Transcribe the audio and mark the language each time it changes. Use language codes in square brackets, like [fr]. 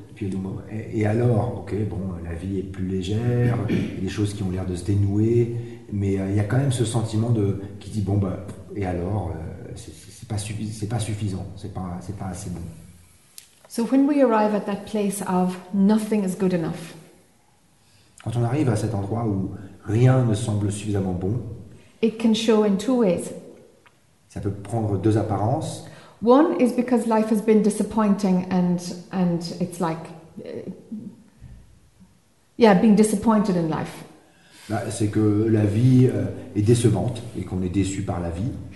[fr] Puis elle dit, et alors, ok, bon, la vie est plus légère, il y a des choses qui ont l'air de se dénouer, mais il y a quand même ce sentiment de qui dit, bon, bah, et alors, c'est pas suffisant, c'est pas assez bon. [en] So when we arrive at that place of nothing is good enough. [fr] Quand on arrive à cet endroit où rien ne semble suffisamment bon, [en] it can show in two ways. [fr] Ça peut prendre deux apparences. [en] One is because life has been disappointing and it's like, being disappointed in life. [fr] Bah, c'est que la vie est décevante et qu'on est déçu par la vie.